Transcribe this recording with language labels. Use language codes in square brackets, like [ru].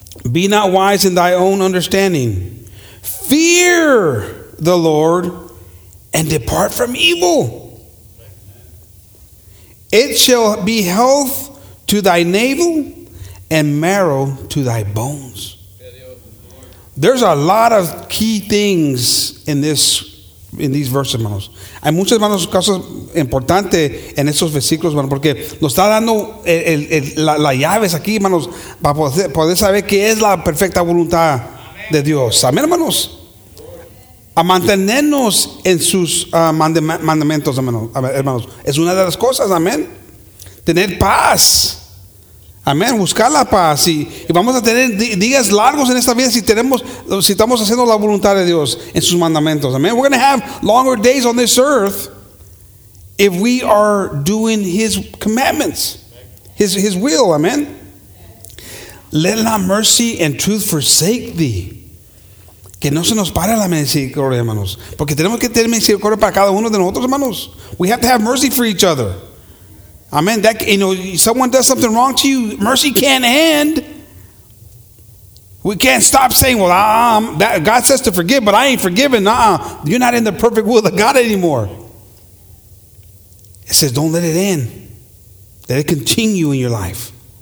[en] Be not wise in thy own understanding. Fear the Lord and depart from evil. It shall be health to thy navel and marrow to thy bones. There's a lot of key things in this, in these verses, hermanos. [es] Hay muchas, hermanos, cosas importantes en estos versículos, hermanos, porque nos está dando las llaves aquí, hermanos, para poder saber qué es la perfecta voluntad de Dios. Amén, hermanos. A mantenernos en sus mandamientos, hermanos. Es una de las cosas, amén. Tener paz. Amén. Buscar la paz. Y vamos a tener días largos en esta vida si estamos haciendo la voluntad de Dios en sus mandamientos. Amén. [en] We're going to have longer days on this earth if we are doing His commandments, His will. Amén. Let not mercy and truth forsake thee. [es] Que no se nos pare la misericordia, hermanos. Porque tenemos que tener misericordia para cada uno de nosotros, hermanos. [en] We have to have mercy for each other. Amen. That, you know, someone does something wrong to you, mercy can't end. We can't stop saying, well, that God says to forgive, but I ain't forgiven. Nuh-uh. You're not in the perfect will of God anymore. It says, don't let it end. Let it continue in your life.